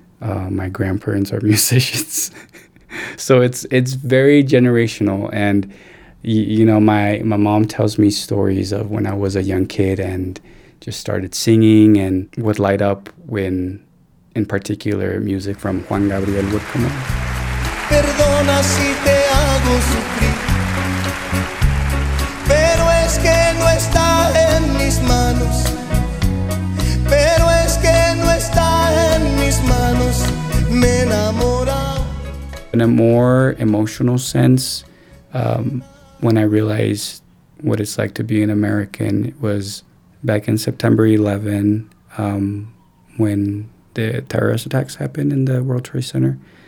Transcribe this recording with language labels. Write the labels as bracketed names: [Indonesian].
[English] My grandparents are musicians. So it's very generational. And, you know, my mom tells me stories of when I was a young kid and just started singing and would light up when, in particular, music from Juan Gabriel would come on. [Spanish] Perdona si te hago sufrir, pero es que no está en mis manos. Pero es que no está en mis manos. Me enamora. [English] In a more emotional sense, when I realized what it's like to be an American, it was back in September 11, when the terrorist attacks happened in the World Trade Center.